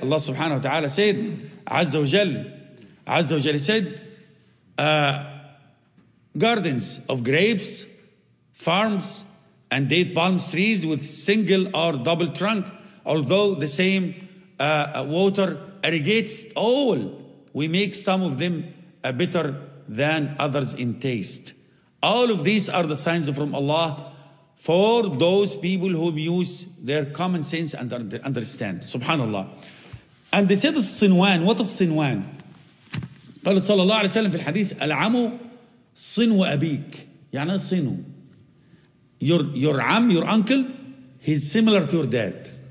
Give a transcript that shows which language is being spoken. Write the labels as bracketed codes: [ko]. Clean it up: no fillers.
[en] Allah subhanahu wa ta'ala said, عز وجل, he said, gardens of grapes, farms, and date palm trees with single or double trunk, although the same water irrigates all, we make some of them bitter than others in taste. All of these are the signs from Allah for those people who use their common sense and understand. Subhanallah. And they said, الصنوان. What is الصنوان? [ar] قال صلى الله عليه وسلم في الحديث, العمو صنو أبيك. يعني صنو. [en] Your عم, your uncle, he's similar to your dad.